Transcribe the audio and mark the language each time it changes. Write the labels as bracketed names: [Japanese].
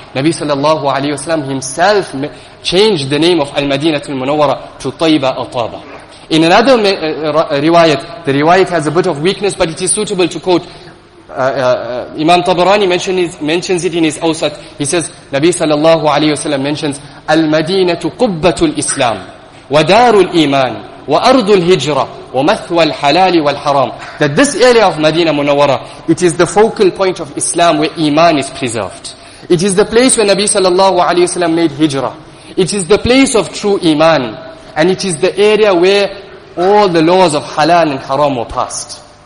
[English] Nabi sallallahu alayhi wa sallam himself changed the name of Al-Madinatul Munawwara to Taiba or Taba. In another riwayat, the riwayat has a bit of weakness, but it is suitable to quote. Imam Tabarani mentions it in his Awsat. He says, Nabi sallallahu alayhi wa sallam mentions, [Arabic] Al-Madinatu Qubbatul Islam. ودار الإيمان وأرض الهجرة ومثوى الحلال والحرام. [English] That this area of Medina Munawwara, it is the focal point of Islam where Iman is preserved. It is the place where Nabi sallallahu alayhi wa sallam made hijrah. It is the place of true Iman. And it is the area where all the laws of halal and haram were passed.